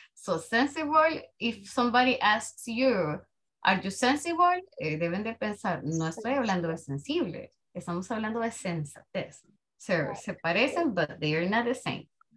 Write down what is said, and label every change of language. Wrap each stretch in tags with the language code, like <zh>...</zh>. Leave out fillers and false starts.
<en>So sensible, if somebody asks you, are you sensible?</en> <es>Deben de pensar, no estoy hablando de sensible, estamos hablando de sensatez.</es> <en>So,</en> <es>se parecen,</es> <en>but they are not the same.</en>